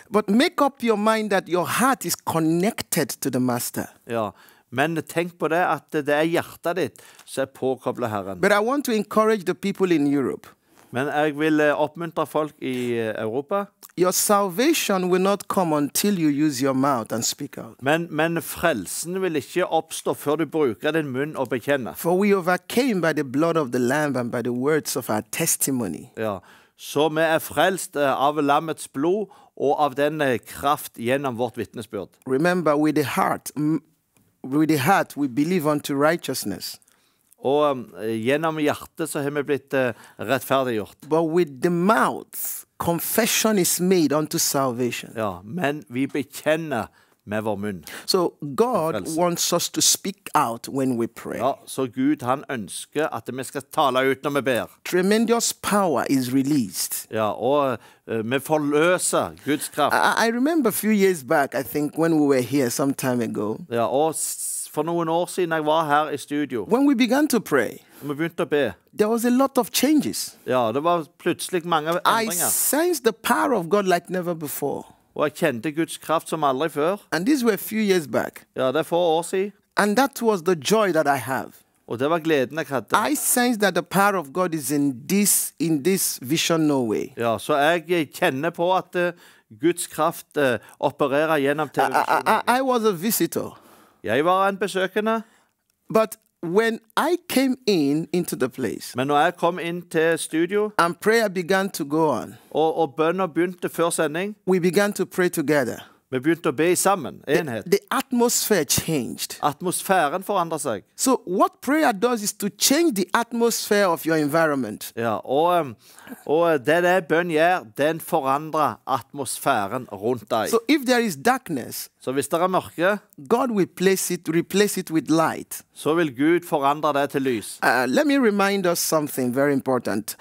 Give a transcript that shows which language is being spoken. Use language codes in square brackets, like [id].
[en] But make up your mind that your heart is connected to the Master. [no] Ja, men tenk på det at det er hjertet ditt som er påkoblet Herren. [en] But I want to encourage the people in Europe. [no] Men jeg vil oppmuntre folk i Europa. [en] Your salvation will not come until you use your mouth and speak out. [no] Men frelsen vil ikke oppstå før du bruker din munn og bekjenner. [en] For we overcame by the blood of the Lamb and by the words of our testimony. [no] Ja, så vi er frelst av lammets blod og av den kraft gjennom vårt vitnesbyrd. [en] Remember, with the heart we believe unto righteousness. [no] Og gjennom hjertet så har vi blitt rettferdiggjort. [en] But with the mouth, confession is made unto salvation. [no] Ja, men vi bekjenner med vår munn. [en] So God wants us to speak out when we pray. [no] Ja, så Gud han ønsker at vi skal tale ut når vi ber. [en] Tremendous power is released. [no] Ja, og vi forløser Guds kraft. [en] I remember a few years back, I think, when we were here some time ago. [no] Ja, og for noen år siden jeg var her i studio. [en] When we began to pray. [no] Vi begynte å be. [en] There was a lot of changes. [no] Ja, det var plutselig mange endringer. [en] I sensed the power of God like never before. [no] Og jeg kjente Guds kraft som aldri før. [en] And these were a few years back. [no] Ja, det er 4 år siden. [en] And that was the joy that I have. [no] Og det var gleden jeg hadde. [en] I sensed that the power of God is in this vision Norway. [no] Ja, så jeg kjenner på at Guds kraft opererer gjennom TV. [en] I was a visitor. [no] Jeg var en besøkende. [en] But when I came into the place. [no] Men når jeg kom inn til studio. [en] And prayer began to go on. [no] Og bønner begynte før sending. [en] We began to pray together. [no] Vi begynte å be sammen, enhet. [en] The atmosphere changed. [no] Atmosfæren forandret seg. [en] So what prayer does is to change the atmosphere of your environment. [no] Ja, og det der bønn gjør, den forandrer atmosfæren rundt deg. [en] So if there is darkness. [no] Så hvis det mørke. [en] God will replace it with light. [no] Så vil Gud forandre det til lys. [en] Let me remind us something very important.